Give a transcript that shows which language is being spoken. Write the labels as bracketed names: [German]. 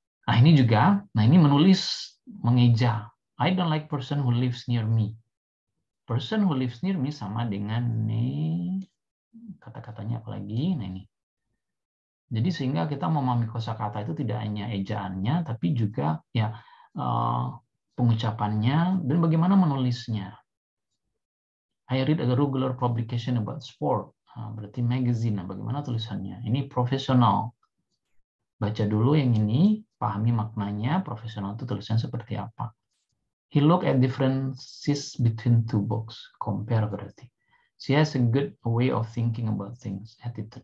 [Indonesian] Nah, ini juga, nah ini menulis, mengeja. [English] I don't like person who lives near me. [Indonesian] Person who lives near me sama dengan nih kata-katanya apalagi, nah ini. Jadi sehingga kita memahami kosakata itu tidak hanya ejaannya, tapi juga ya pengucapannya dan bagaimana menulisnya. [English] I read a regular publication about sport, [Indonesian] berarti magazine. Nah, bagaimana tulisannya? Ini profesional. Baca dulu yang ini, pahami maknanya profesional itu tulisannya seperti apa. [English] He look at differences between two books, [Indonesian] compare berarti. [English] She has a good way of thinking about things, attitude.